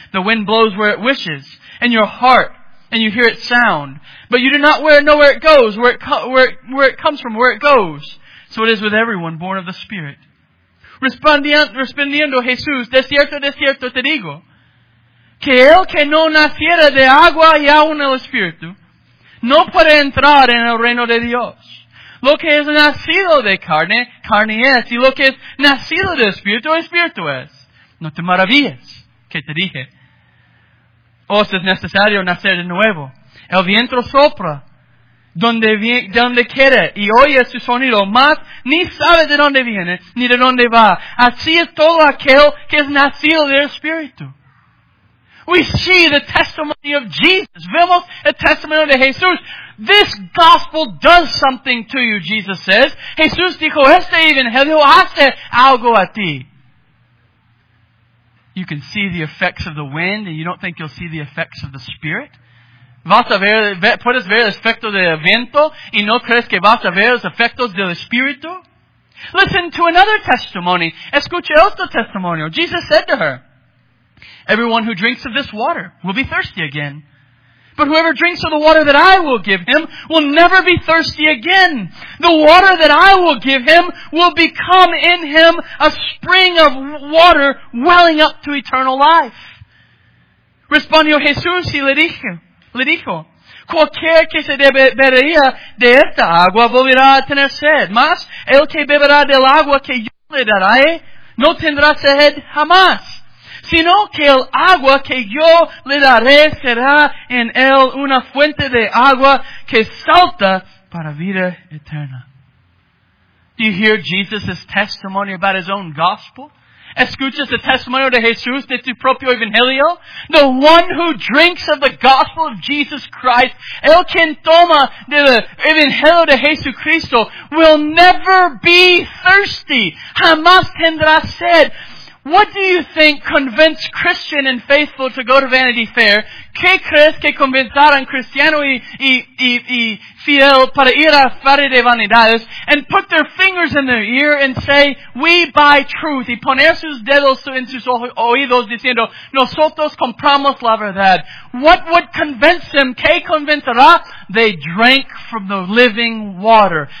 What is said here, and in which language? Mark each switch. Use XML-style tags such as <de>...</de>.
<en>The wind blows where it wishes, and your heart, and you hear its sound, but you do not know where it goes, where it comes from, where it goes. So it is with everyone born of the Spirit.</en> <es>Respondiendo Jesús, de cierto te digo, que el que no naciera de agua y aún el Espíritu, no puede entrar en el reino de Dios. Lo que es nacido de carne, carne es, y lo que es nacido de Espíritu, Espíritu es. No te maravilles, que te dije. Os es necesario nacer de nuevo. El viento sopra donde quiere y oye su sonido, mas ni sabe de dónde viene ni de dónde va. Así es todo aquel que es nacido del Espíritu.</es> <en>We see the testimony of Jesus.</en> <es>Vemos el testimonio de Jesús.</es> <en>This gospel does something to you, Jesus says.</en> <es>Jesús dijo, este evangelio hace algo a ti.</es> <en>You can see the effects of the wind, and you don't think you'll see the effects of the Spirit?</en> <es>¿Vas a ver, puedes ver el efecto del viento, y no crees que vas a ver los efectos del Espíritu?</es> <en>Listen to another testimony.</en> <es>Escucha otro testimonio.</es> <en>Jesus said to her, everyone who drinks of this water will be thirsty again. But whoever drinks of the water that I will give him will never be thirsty again. The water that I will give him will become in him a spring of water welling up to eternal life.</en> <es>Respondió Jesús y le dijo, cualquiera que se bebería de esta agua volverá a tener sed. Mas el que beberá del agua que yo le daré no tendrá sed jamás. Sino que el agua que yo le daré será en él una fuente de agua que salta para vida eterna.</es> <en>Do you hear Jesus' testimony about His own gospel?</en> <es>¿Escuchas el testimonio de Jesús de tu propio evangelio?</es> <en>The one who drinks of the gospel of Jesus Christ,</en> <es>el quien toma del evangelio de Jesucristo,</es> <en>will never be thirsty.</en> <es>Jamás tendrá sed.</es> <en>What do you think convinced Christian and faithful to go to Vanity Fair?</en> <es>¿Qué crees que convencieron cristiano y fiel para ir a Feria de Vanidades</es> <en>and put their fingers in their ear and say, we buy truth,</en> <es>y poner sus dedos en sus oídos diciendo, nosotros compramos la verdad?</es> <en>What would convince them?</en> <es>¿Qué convencerá?</es> <en>They drank from the living water.</en>